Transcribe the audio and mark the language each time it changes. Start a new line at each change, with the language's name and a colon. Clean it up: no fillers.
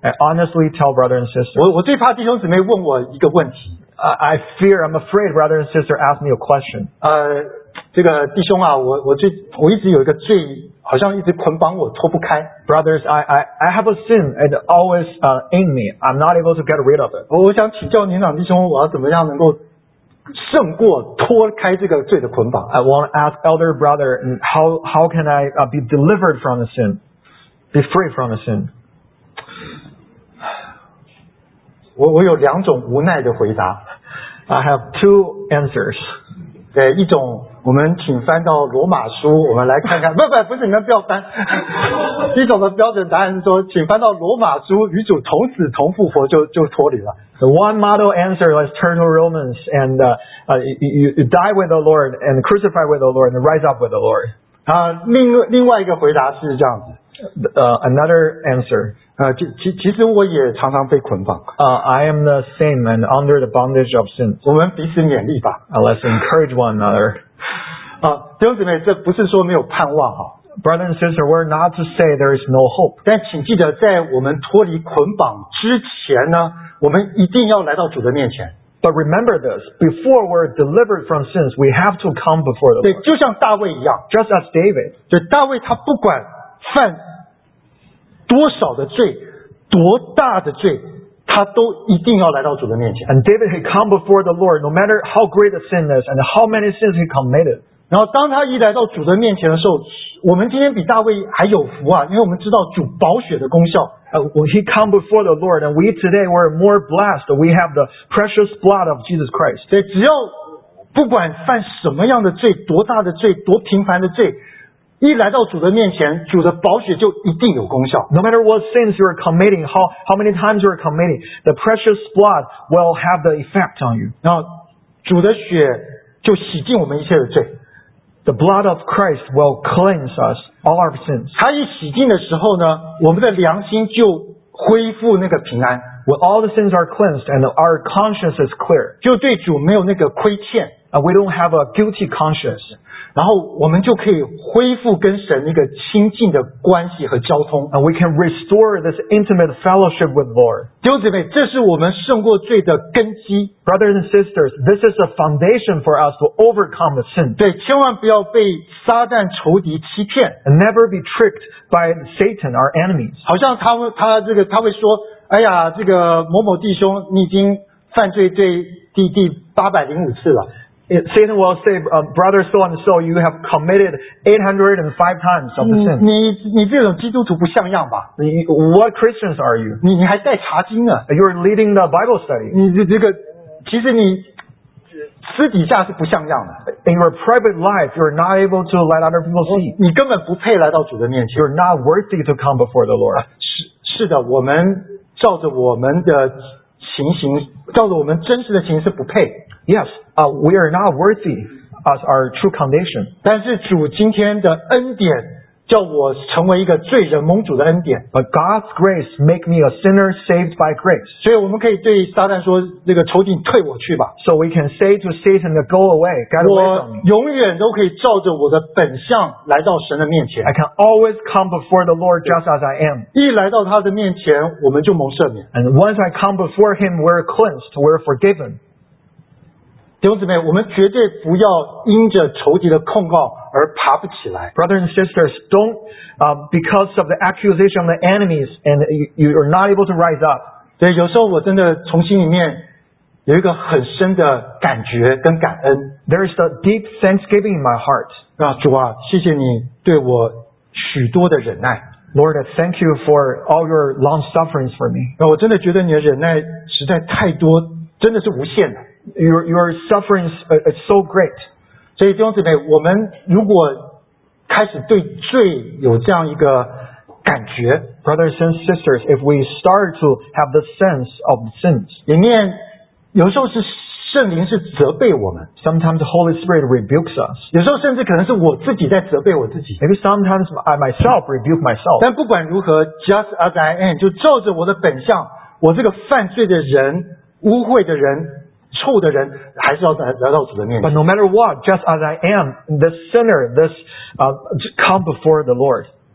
English: ，I honestly tell brother and sister.
Chinese: 我最怕弟兄姊妹问我一个问题。
English: I fear, I'm afraid, brother and sister ask me a question.
Chinese: 这个弟兄啊，我一直有一个罪，好像一直捆绑我脱不开。
English: Brothers, I have a sin and always in me. I'm not able to get rid of it.
Chinese: 我想请教年长弟兄，我要怎么样能够胜过脱开这个罪的捆绑
English: ？I want to ask elder brother, how can I be delivered from the sin, be free from the sin?
Chinese: 我有两种无奈的回答。
English: I have two answers.
Chinese: 对，一种。我们请翻到罗马书，我们来看看。不是，你们不要翻。一种的标准答案是说，请翻到罗马书，与主同死同复活就脱离了。
English: The one model answer was turn to Romans and you die with the Lord and crucify with the Lord and rise up with the Lord.
Chinese: 另外一个回答是这样子。
English: Another answer.
Chinese: 其实我也常常被捆绑。
English: I am the same and under the bondage of sin.
Chinese: 我们彼此勉励吧。
English: Let's encourage one another.
Chinese: 弟兄姊妹，这不是说没有盼望哈。
English: Brother and sister, we're not to say there is no hope.
Chinese: 但请记得，在我们脱离捆绑之前呢，我们一定要来到主的面前。
English: But remember this: before we're delivered from sins, we have to come before the Lord.
Chinese: 对，就像大卫一样。
English: Just as David.
Chinese: 对，大卫他不管犯多少的罪，多大的罪。他都一定要来到主的面前。
English: And David he come before the Lord, no matter how great the sin is and how many sins he committed.
Chinese: 然后当他一来到主的面前的时候，我们今天比大卫还有福啊，因为我们知道主宝血的功效。
English: When he come before the Lord, and we today were more blessed. We have the precious blood of Jesus Christ.
Chinese: 对，只要不管犯什么样的罪，多大的罪，多频繁的罪。一来到主的面前，主的宝血就一定有功效。
English: No matter what sins you are committing, how many times you are committing, the precious blood will have the effect on you.
Chinese: 然后主的血就洗净我们一切的罪。
English: The blood of Christ will cleanse us all our sins.
Chinese: 它一洗净的时候呢，我们的良心就恢复那个平安。
English: When all the sins are cleansed and our conscience is clear,
Chinese: 就对主没有那个亏欠。
English: we don't have a guilty conscience.
Chinese: 然后我们就可以恢复跟神一个亲近的关系和交通。
English: And we can restore this intimate fellowship with Lord.
Chinese: 弟兄姊妹，这是我们胜过罪的根基。
English: Brothers and sisters, this is a foundation for us to overcome the sin.
Chinese: 对，千万不要被撒旦仇敌欺骗。
English: And never be tricked by Satan, our enemies.
Chinese: 好像他会说，哎呀，这个某某弟兄，你已经犯罪对第805次了。
English: Satan will say, brother so and so, you have committed 805 times of the sin.
Chinese: 你这种基督徒不像样吧？
English: What Christians are you?
Chinese: 你还带查经啊？
English: You're leading the Bible study.
Chinese: 其实你私底下是不像样的。
English: In your private life, you're not able to let other people see.
Chinese: 你根本不配来到主的面前。
English: You're not worthy to come before the Lord.
Chinese: 是的，我们照着我们的情形，照着我们真实的情形是不配。
English: Yes, we are not worthy as our true condition.
Chinese: 但是主今天的恩典叫我成为一个罪人蒙主的恩典。
English: But God's grace make me a sinner saved by grace.
Chinese: 所以我们可以对撒旦说，这个仇敌退我去吧。
English: So we can say to Satan, go away, get away from me.
Chinese: 我永远都可以照着我的本相来到神的面前。
English: I can always come before the Lord just as I am.
Chinese: 一来到他的面前，我们就蒙赦免。
English: And once I come before him, we're cleansed, we're forgiven.
Chinese: 弟兄姊妹，我们绝对不要因着仇敌的控告而爬不起来。
English: Brothers and sisters, don't because of the accusation of the enemies and you are not able to rise up.
Chinese: 对，有时候我真的从心里面有一个很深的感觉跟感恩。
English: There is a deep thanksgiving in my heart.
Chinese: 啊，主啊，谢谢你对我许多的忍耐。
English: Lord, thank you for all your long sufferings for me.
Chinese: 啊，我真的觉得你的忍耐实在太多，真的是无限的。
English: Your suffering is so great.
Chinese: 所以弟兄姊妹，我们如果开始对罪有这样一个感觉，
English: brothers and sisters, if we start to have the sense of sins,
Chinese: 里面有时候是圣灵是责备我们，
English: sometimes the Holy Spirit rebukes us.
Chinese: 有时候甚至可能是我自己在责备我自己，
English: maybe sometimes I myself rebuke myself.
Chinese: 但不管如何，
English: just as I am,
Chinese: 就照着我的本相，我这个犯罪的人，污秽的人，臭的人还是要来到主的面前。
English: But no matter what, just as I am, the sinner, this come before the Lord.